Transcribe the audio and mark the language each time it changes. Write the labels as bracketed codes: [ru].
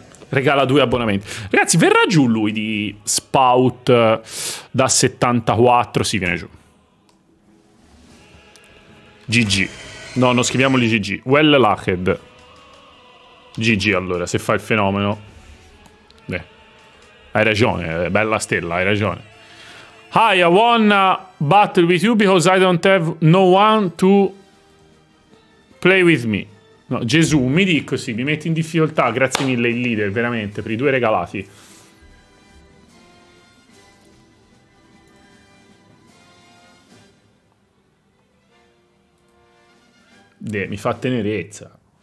[it] Regala due abbonamenti. Ragazzi, verrà giù lui di Spout da 74? Sì, viene giù. GG. No, non scriviamoli GG. Well lucked. GG, allora, se fa il fenomeno. Beh. Hai ragione, bella stella, hai ragione. [en] Hi, I wanna battle with you because I don't have no one to play with me. [it] No, Gesù, mi dico così, mi metti in difficoltà. Grazie mille, il leader, veramente, per i due regalati. mi fa tenerezza.